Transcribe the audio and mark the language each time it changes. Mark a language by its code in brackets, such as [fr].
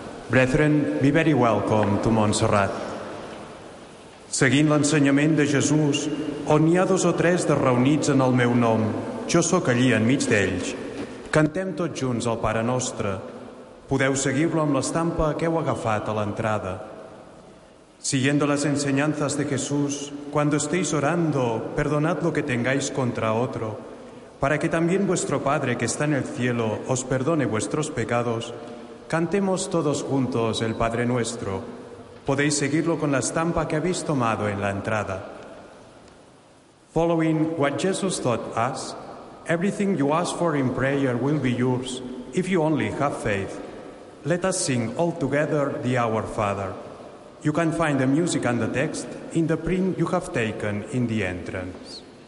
[en] Brethren, be very welcome to Montserrat. [ca] Seguint l'ensenyament de Jesús, on hi ha dos o tres de reunits en el meu nom, jo sóc allí enmig d'ells. Cantem tots junts el Pare Nostre. Podeu seguir-lo amb l'estampa que heu agafat a l'entrada. [es] Siguiendo las enseñanzas de Jesús, cuando estéis orando, perdonad lo que tengáis contra otro, para que también vuestro Padre que está en el cielo os perdone vuestros pecados, cantemos todos juntos el Padre Nuestro. Podéis seguirlo con la estampa que habéis tomado en la entrada. [en] Following what Jesus taught us, everything you ask for in prayer will be yours if you only have faith. Let us sing all together the Our Father. You can find the music and the text in the print you have taken in the entrance.